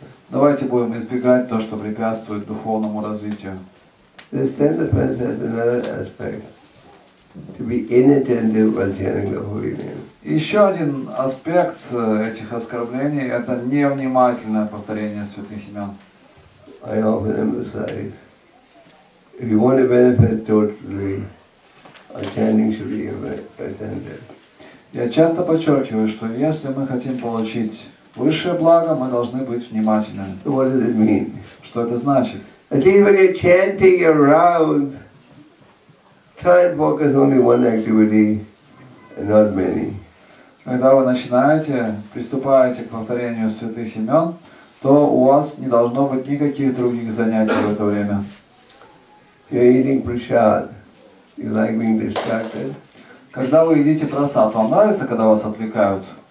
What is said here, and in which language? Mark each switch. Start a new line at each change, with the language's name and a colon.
Russian: Давайте будем избегать то, что препятствует духовному развитию.
English: This tenth offense has another aspect: to be inattentive while chanting the holy name.
Russian: Еще один аспект этих оскорблений – это невнимательное повторение святых имен.
English: I often emphasize: if you want to benefit totally, chanting should be attentive.
Russian: Я часто подчеркиваю, что если мы хотим получить высшее благо, мы должны быть внимательны.
English: So what does it mean?
Russian: Что это значит?
English: At least when you're chanting your rounds, try and focus only one activity and not many.
Russian: Когда вы начинаете, приступаете к повторению святых имен, то у вас не должно быть никаких других занятий в это время.
English: You're eating prasad. You like being distracted?
Russian: Когда вы едите прасад, вам нравится, когда вас отвлекают?